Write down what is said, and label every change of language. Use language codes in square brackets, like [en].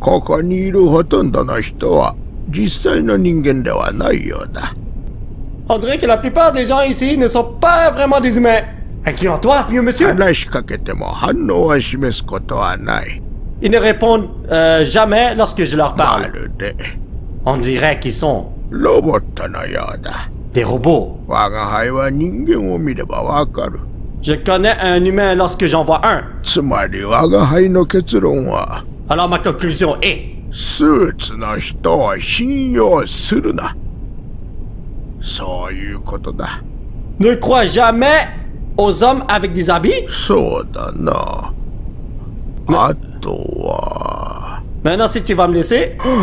[ja] ここにいるほとんどの人は実際の人間ではないようだ。 [fr] On dirait que la plupart des gens ici ne sont pas vraiment des humains. Incluant toi, vieux monsieur. [ja] 話しかけても反応は示すことはない。 [fr] Ils ne répondent jamais lorsque je leur parle. [ja] まるで。 [fr] On dirait qu'ils sont [ja] ロボットのようだ。 [fr] Des robots. [ja] 我が輩は人間を見ればわかる。 [fr] Je connais un humain lorsque j'en vois un. [ja] つまり我が輩の結論は。 [fr] Alors ma conclusion est. [ja] スーツの人を信用するな。そういうことだ。 [fr] Ne crois jamais aux hommes avec des habits? [ja] そうだな。あとは。 [fr] Maintenant si tu vas me laisser.